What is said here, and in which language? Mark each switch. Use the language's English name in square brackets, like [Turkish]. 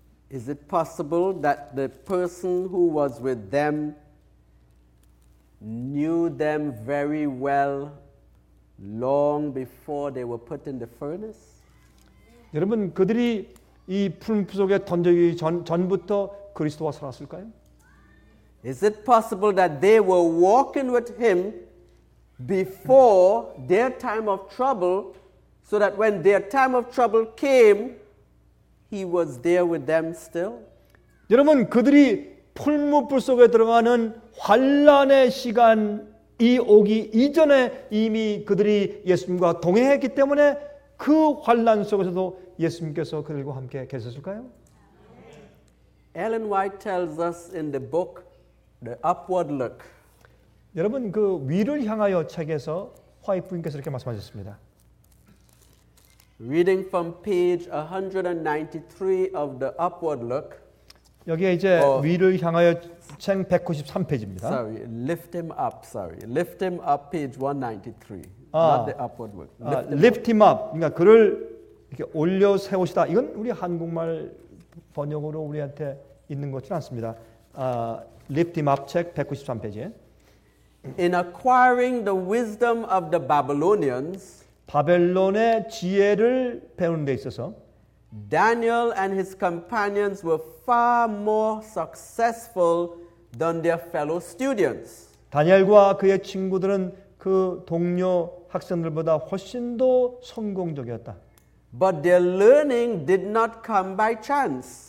[English] Is it possible that the person who was with them knew them very well long before they were put in the furnace? [Korean] 여러분, 그들이 이 풀무불 속에 던져기 전부터 그리스도와 살았을까요? [English] Is it possible that they were walking with him before their time of trouble so that when their time of trouble came he was there with them still? [Korean] 여러분 그들이 풀무불 속에 들어가는 환난의 시간이 오기 이전에 이미 그들이 예수님과 동행했기 때문에 그 환난 속에서도 예수님께서 그들과 함께 계셨을까요? [English] Ellen White tells us in the book The Upward Look. [Korean] 여러분 그 위를 향하여 책에서 화이트 부인께서 이렇게 말씀하셨습니다. [English] Reading from page 193 of The Upward Look. [Korean] 여기에 이제 위를 향하여 책 193페이지입니다. [English] Sorry, lift him up. Sorry. Lift him up page 193. 아, not The Upward Look. Lift him up. [Korean] 그러니까 그를 이렇게 올려 세우시다. 이건 우리 한국말 번역으로 우리한테 있는 것 같지는 않습니다. Lift him up, check 193페이지. [English] In acquiring the wisdom of the Babylonians, [Korean] 바벨론의 지혜를 배우는 데 있어서 [English] Daniel and his companions were far more successful than their fellow students. [Korean] 다니엘과 그의 친구들은 그 동료 학생들보다 훨씬 더 성공적이었다. [English] But their learning did not come by chance.